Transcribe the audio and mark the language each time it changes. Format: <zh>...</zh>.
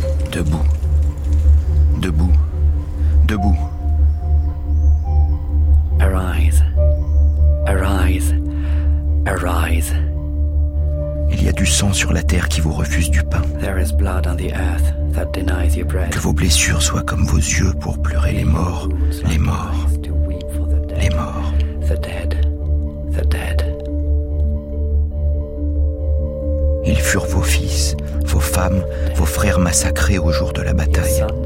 <fr>Debout. Debout. Debout.</fr> <en>Arise. Arise. Arise.</en> <fr>Il y a du sang sur la terre qui vous refuse du pain.</fr> <en>There is blood on the earth that denies your bread.</en> <fr>Que vos blessures soient comme vos yeux pour pleurer les morts, les morts, les morts.</fr> <en>The dead. The dead.</en> <fr>Ils furent vos fils, vos femmes, vos frères massacrés au jour de la bataille.</fr>